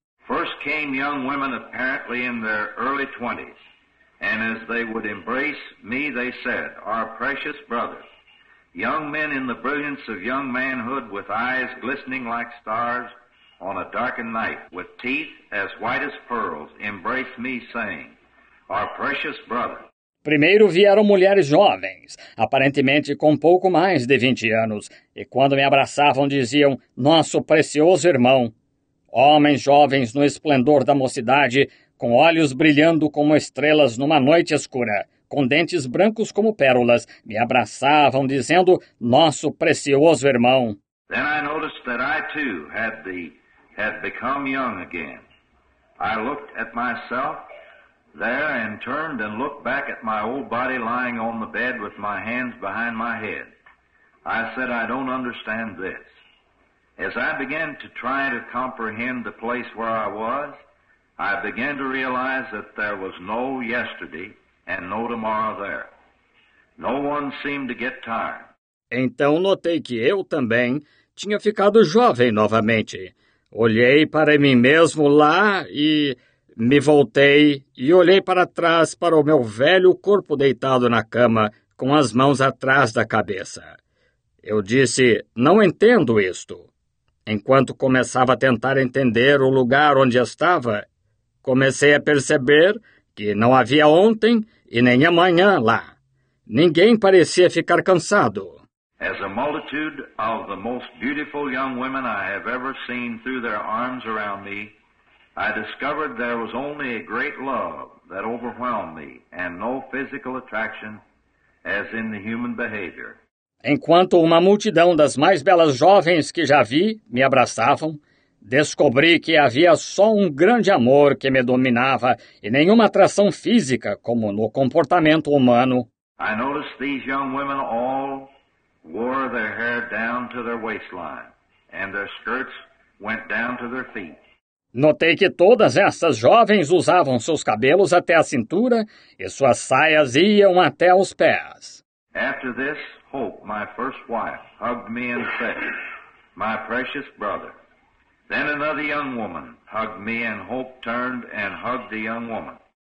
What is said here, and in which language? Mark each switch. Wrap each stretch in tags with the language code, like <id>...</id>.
<en>First came young women, apparently in their early 20s, and as they would embrace me, they said, our precious brother. Young men in the brilliance of young manhood, with eyes glistening like stars, on a darkened night, with teeth as white as pearls, embrace me, saying, our precious brother.</en> <pt>Primeiro vieram mulheres jovens, aparentemente com pouco mais de 20 anos, e quando me abraçavam diziam, nosso precioso irmão. Homens jovens no esplendor da mocidade, com olhos brilhando como estrelas numa noite escura, com dentes brancos como pérolas, me abraçavam dizendo, nosso precioso irmão.</pt> <en>Then I noticed that I too had become young again. I looked at myself there and turned and looked back at my old body lying on the bed with my hands behind my head. I said, I don't understand this. As I began to try to comprehend the place where I was, I began to realize that there was no yesterday and no tomorrow there. No one seemed to get tired.</en> <pt>Então notei que eu também tinha ficado jovem novamente. Olhei para mim mesmo lá e me voltei e olhei para trás para o meu velho corpo deitado na cama com as mãos atrás da cabeça. Eu disse, não entendo isto. Enquanto começava a tentar entender o lugar onde estava, comecei a perceber que não havia ontem e nem amanhã lá. Ninguém parecia ficar cansado.</pt> <en>As a multitude of the most beautiful young women I have ever seen threw their arms around me, I discovered there was only a great love that overwhelmed me and no physical attraction as in the human behavior.</en> <pt>Enquanto uma multidão das mais belas jovens que já vi me abraçavam, descobri que havia só um grande amor que me dominava e nenhuma atração física como no comportamento humano.</pt> <en>I noticed these young women all wore their hair down to their waistline and their skirts went down to their feet.</en> <pt>Notei que todas essas jovens usavam seus cabelos até a cintura e suas saias iam até os pés.</pt> <en>After this, Hope, my first wife, hugged me and said, my precious brother. Then another young woman hugged me and Hope turned and hugged the young woman.</en>